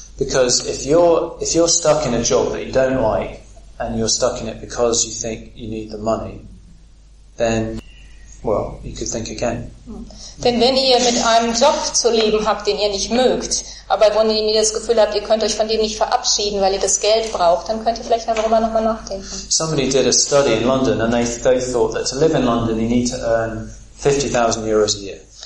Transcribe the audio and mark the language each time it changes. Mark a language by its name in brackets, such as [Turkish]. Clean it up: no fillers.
[English] Because if you're stuck in a job that you don't like and you're stuck in it because you think you need the money, then well, you could think again. [German] Denn wenn ihr mit einem Job zu leben habt, den ihr nicht mögt, aber wo ihr das Gefühl habt, ihr könnt euch von dem nicht verabschieden, weil ihr das Geld braucht, dann könnt ihr vielleicht darüber nochmal nachdenken. [English] Somebody did a study in London and they thought that to live in London you need to earn 50,000 euros a year.